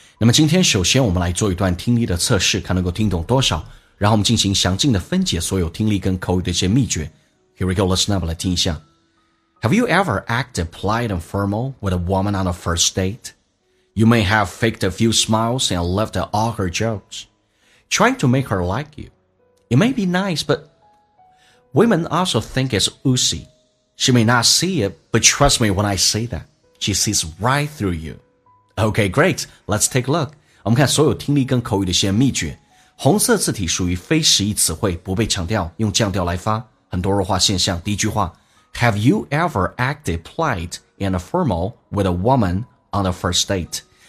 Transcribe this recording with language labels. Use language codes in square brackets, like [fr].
[zh] 那么今天首先我们来做一段听力的测试，看能够听懂多少，然后我们进行详尽的分解所有听力跟口语的一些秘诀。 [en] Here we go, listen up, [zh] 来听一下。 [en] Have you ever acted polite and formal with a woman on a first date? You may have faked a few smiles and left all her jokes, trying to make her like you. It may be nice, butWomen also think it's oozy. She may not see it, but trust me when I say that. She sees right through you. Okay, great. Let's take a look. [zh] 我们看所有听力跟口语的一些秘诀。红色字体属于非实义词汇，不被强调，用降调来发。很多弱化现象。第一句话 [en] ,Have you ever acted polite and formal with a woman on a first date?